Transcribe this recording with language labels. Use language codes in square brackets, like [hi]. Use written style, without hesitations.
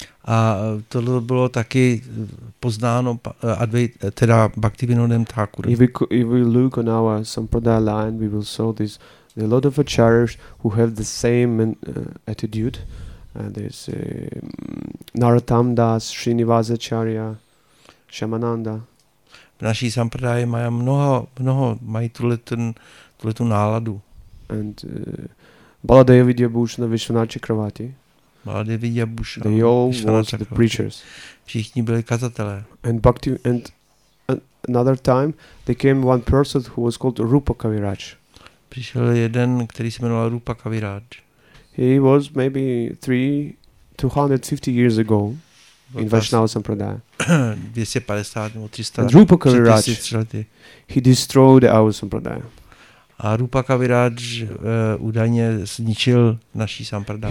[cs] A tohle bylo taky poznáno teda Bhaktivinodem Thakur. [en] If we look on our sampradaya line, we will see this a lot of acharyas who have the same attitude. There's Narottam Das, Srinivasa Acharya, Shamananda. [cs] V naší sampradaye mají mnoho mají tuhle tu náladu. [en] And Baladeva Vidyabhushana Vishwanath Chakravarti. They all were the preachers. [cs] Všichni byli kazatelé. [en] And Bhakti, and another time, there came one person who was called Rupa Kaviraj. [cs] Přišel jeden, který se jmenoval Rupa Kaviraj. [en] He was maybe 250 years ago in Vaishnava Sampradaya. [cs] 250 nebo 300. [en] And Rupa Kaviraj, he destroyed our Sampradaya. [cs] A Rupa Kaviraj údajně zničil naší sampradaya.